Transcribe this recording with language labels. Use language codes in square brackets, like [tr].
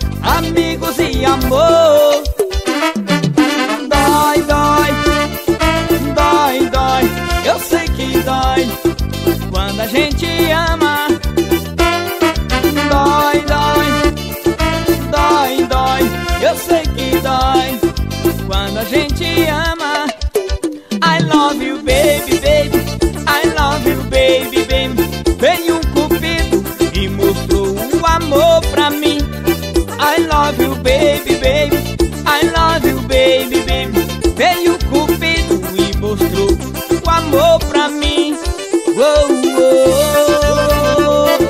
[pt] Amigos e amor, dói, dói, dói, dói. Eu sei que dói quando a gente ama. Dói, dói, dói, dói. Eu sei que dói quando a gente ama. [en] I love you, baby, baby. I love you, baby, baby. [pt] Veio um cupido e mostrou o amor pra mim. [en] I love you, baby, baby. I love you, baby, baby. [pt] Veio um cupido e mostrou o amor pra mim. Oh, oh, oh.